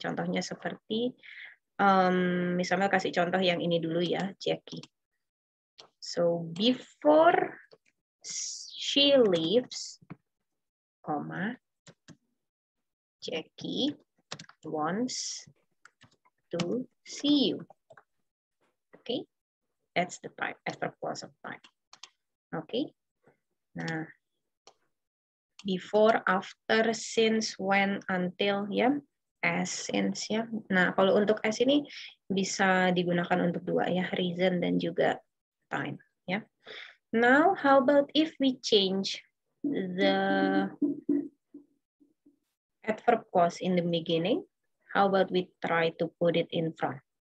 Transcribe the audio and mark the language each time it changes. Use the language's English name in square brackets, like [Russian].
[Indonesian] Contohnya seperti, Miss Amel kasih contoh yang ini dulu ya, Jackie. [English] So before she leaves, comma, Jackie wants to see you. Okay, that's the time, adverb clause of time. Okay, nah, before, after, since, when, until, yeah, as since ya. [Indonesian] Nah, kalau untuk as ini bisa digunakan untuk dua ya, reason dan juga time ya. [English] Now, how about if we change the adverb clause in the beginning? How about we try to put it in front?